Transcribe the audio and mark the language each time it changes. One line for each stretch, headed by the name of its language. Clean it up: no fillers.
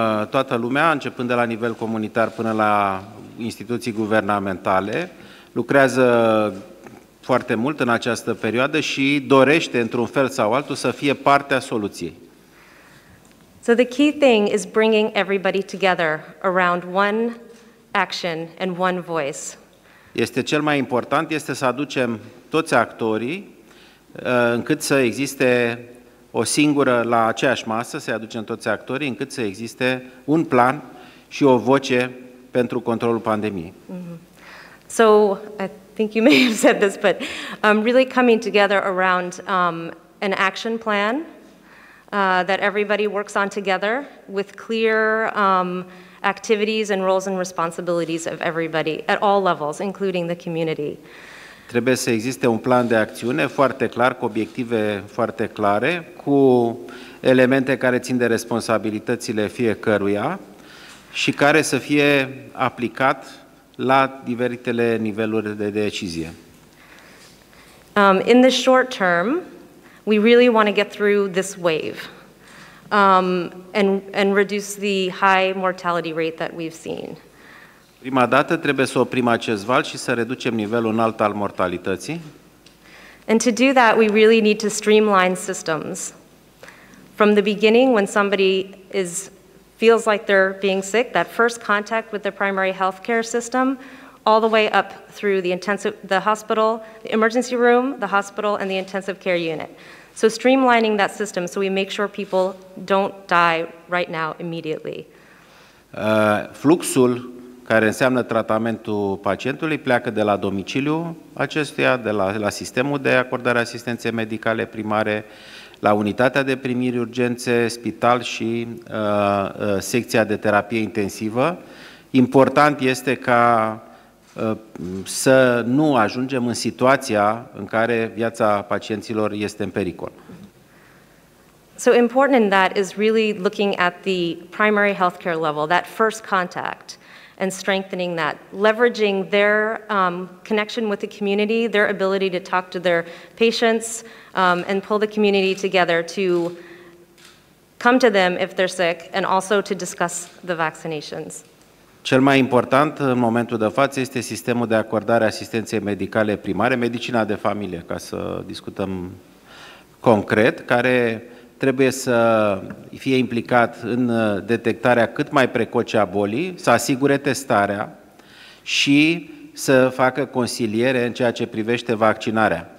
Romanian: Toată lumea, începând de la nivel comunitar până la instituții guvernamentale, lucrează foarte mult în această perioadă și dorește, într-un fel sau altul, să fie parte a soluției.
English: So the key thing is bringing everybody together around one action and one voice.
Romanian: Este cel mai important, este să aducem toți actorii încât să existe o singură, la aceeași masă, să aducem toți actorii, încât să existe un plan și o voce pentru controlul pandemiei. Mm-hmm.
English: So, I think you may have said this, but I'm really coming together around an action plan that everybody works on together with clear activities and roles and responsibilities of everybody at all levels, including the community.
Romanian: Trebuie să existe un plan de acțiune foarte clar, cu obiective foarte clare, cu elemente care țin de responsabilitățile fiecăruia și care să fie aplicat la diferitele niveluri de decizie.
English: In the short term, we really want to get through this wave and reduce the high mortality rate that we've seen.
Romanian: Prima dată trebuie să oprim acest val și să reducem nivelul înalt al mortalității.
English: And to do that, we really need to streamline systems. From the beginning, when somebody feels like they're being sick, that first contact with the primary health care system, all the way up through the hospital, the emergency room, the hospital, and the intensive care unit. So streamlining that system so we make sure people don't die right now immediately.
Romanian: Fluxul care înseamnă tratamentul pacientului pleacă de la domiciliu acestuia, de la sistemul de acordare a asistenței medicale primare, la unitatea de primiri urgențe, spital și secția de terapie intensivă. Important este ca să nu ajungem în situația în care viața pacienților este în pericol.
English: So important in that is really looking at the primary healthcare level, that first contact, and strengthening that, leveraging their connection with the community, their ability to talk to their patients, and pull the community together to come to them if they're sick, and also to discuss the vaccinations.
Romanian: Cel mai important în momentul de față este sistemul de acordare a asistenței medicale primare, medicina de familie, ca să discutăm concret, care trebuie să fie implicat în detectarea cât mai precoce a bolii, să asigure testarea și să facă consiliere în ceea ce privește vaccinarea.